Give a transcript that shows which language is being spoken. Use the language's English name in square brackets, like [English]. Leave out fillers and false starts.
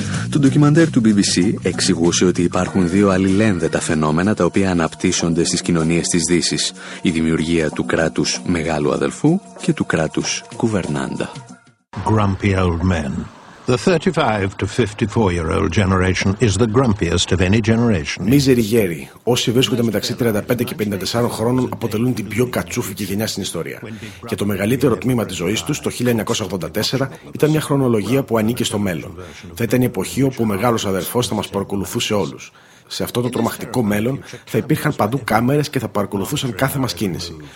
[Greek] Το ντοκιμαντέρ του BBC εξηγούσε ότι υπάρχουν δύο αλληλένδετα φαινόμενα τα οποία αναπτύσσονται στις κοινωνίες της Δύσης. Η δημιουργία του κράτους μεγάλου αδελφού και του κράτους κουβερνάντα. [English] Grumpy old men. The 35-54-year-old generation is the grumpiest of any generation. [Greek] Μίζεροι γέροι. Όσοι βρίσκονται μεταξύ 35 και 54 χρόνων αποτελούν την πιο κατσούφικη γενιά στην ιστορία. Και το μεγαλύτερο τμήμα της ζωής τους, το 1984, ήταν μια χρονολογία που ανήκε στο μέλλον. Θα ήταν η εποχή όπου ο μεγάλος αδερφός θα μας παρακολουθούσε όλους. Σε αυτό το τρομακτικό μέλλον θα υπήρχαν παντού κάμερες και θα παρακολουθούσαν κάθε μας κίνηση.